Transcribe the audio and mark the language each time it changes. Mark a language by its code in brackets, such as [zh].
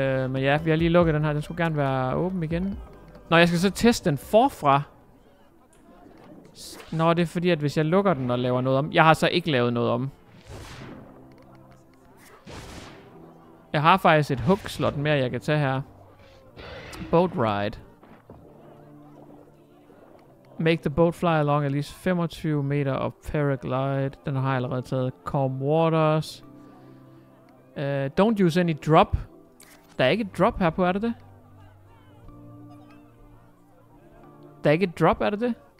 [da] Men ja, vi har lige lukket den her. Den skulle gerne være åben igen. Nå, jeg skal så teste den forfra. Nå, det er fordi, at hvis jeg lukker den og laver noget om... Jeg har så ikke lavet noget om. Jeg har faktisk et hook-slot mere, jeg kan tage her. [en] Boat ride. Make the boat fly along at least 25 meter of paraglide. [da] Den har jeg allerede taget. [en] Calm waters. Don't use any drop. [da] Der er ikke et drop her på, er det det? Der er ikke et drop, er det det?